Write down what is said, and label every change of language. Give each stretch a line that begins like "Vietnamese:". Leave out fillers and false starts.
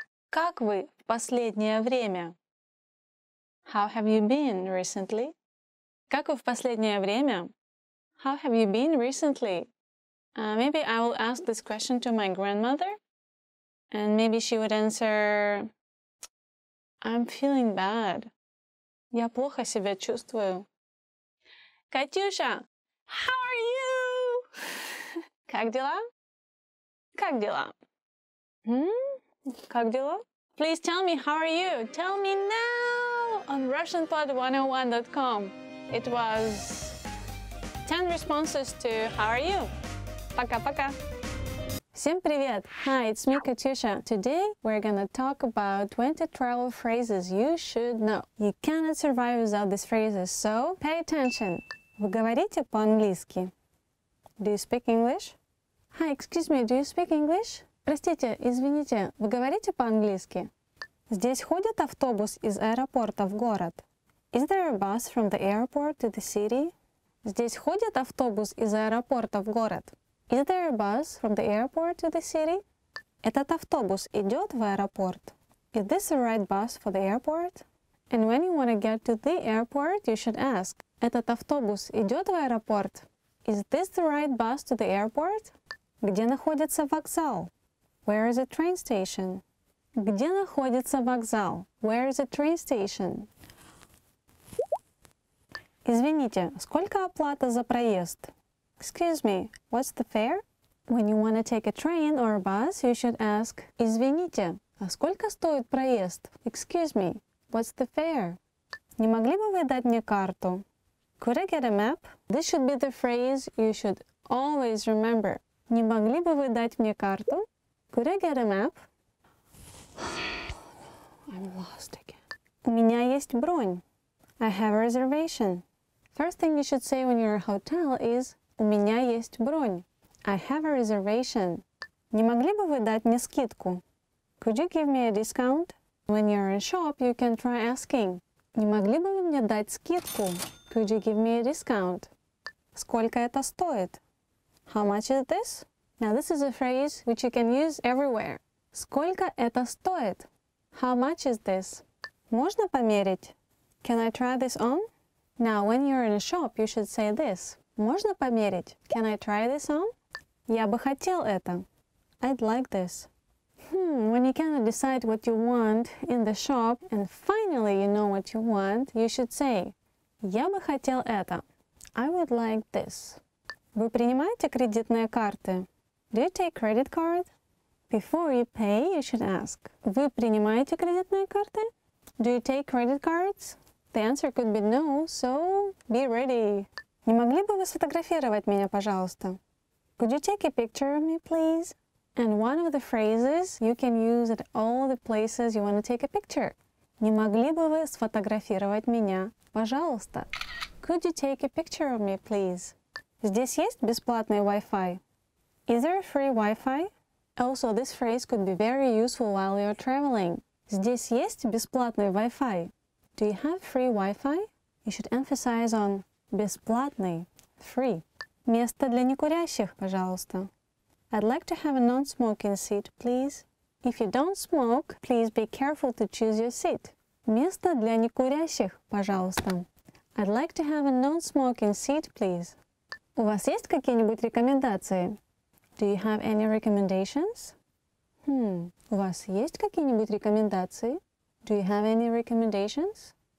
Russian: Как вы в последнее время?
English: How have you been recently?
Russian: Как вы в последнее время?
English: How have you been recently? Maybe I will ask this question to my grandmother. And maybe she would answer, I'm feeling bad.
Russian: Я плохо себя чувствую.
English: Катюша, how are you?
Russian: Как дела? Как дела? Как дела?
English: Please tell me, how are you? Tell me now on RussianPod101.com. It was 10 responses to how are you?
Russian: Пока-пока. Всем привет.
English: Hi, it's me, Катюша. Today, we're gonna talk about 20 travel phrases you should know. You cannot survive without these phrases, so pay attention.
Russian: Вы говорите по-английски?
English: Do you speak English? Hi, excuse me, do you speak English?
Russian: Простите, извините, вы говорите по-английски? Здесь ходит автобус из аэропорта в город.
English: Is there a bus from the airport to the city?
Russian: Здесь ходит автобус из аэропорта в город.
English: Is there a bus from the airport to the city?
Russian: Этот автобус идет в аэропорт.
English: Is this the right bus for the airport? And when you want to get to the airport, you should ask.
Russian: Этот автобус идет в аэропорт?
English: Is this the right bus to the airport?
Russian: Где находится вокзал?
English: Where is a train station?
Russian: Где находится вокзал?
English: Where is a train station?
Russian: Извините, сколько оплата за проезд?
English: Excuse me, what's the fare? When you want to take a train or a bus, you should ask.
Russian: Извините, а сколько стоит проезд?
English: Excuse me, what's the fare?
Russian: Не могли бы вы дать мне карту?
English: Could I get a map? This should be the phrase you should always remember.
Russian: Не могли бы вы дать мне карту?
English: Could I get a map? I'm lost again.
Russian: У меня есть бронь.
English: I have a reservation. First thing you should say when you're at a hotel is
Russian: У меня есть бронь.
English: I have a reservation.
Russian: Не могли бы вы дать мне скидку?
English: Could you give me a discount? When you're in a shop, you can try asking.
Russian: Не могли бы вы мне дать скидку?
English: Could you give me a discount?
Russian: Сколько это стоит?
English: How much is this? Now this is a phrase which you can use everywhere.
Russian: Сколько это стоит?
English: How much is this?
Russian: Можно померить?
English: Can I try this on? Now when you're in a shop, you should say this.
Russian: Можно померить?
English: Can I try this on?
Russian: Я бы хотел это.
English: I'd like this. When you cannot decide what you want in the shop, and finally you know what you want, you should say,
Russian: Я бы хотел это.
English: I would like this.
Russian: Вы принимаете кредитные карты?
English: Do you take credit card? Before you pay, you should ask.
Russian: Вы принимаете кредитные карты?
English: Do you take credit cards? The answer could be no, so be ready.
Russian: Не могли бы вы сфотографировать меня, пожалуйста?
English: Could you take a picture of me, please? And one of the phrases you can use at all the places you want to take a picture.
Russian: Не могли бы вы сфотографировать меня, пожалуйста?
English: Could you take a picture of me, please?
Russian: Здесь есть бесплатный Wi-Fi?
English: Is there a free Wi-Fi? Also, this phrase could be very useful while you're traveling.
Russian: Здесь есть бесплатный Wi-Fi?
English: Do you have free Wi-Fi? You should emphasize on бесплатный, free.
Russian: Место для некурящих, пожалуйста.
English: I'd like to have a non-smoking seat, please. If you don't smoke, please be careful to choose your seat.
Russian: Место для некурящих, пожалуйста.
English: I'd like to have a non-smoking seat, please.
Russian: У вас есть какие-нибудь рекомендации?
English: Do you have any recommendations?
Russian: У вас есть какие-нибудь рекомендации?
English: Do you have any recommendations?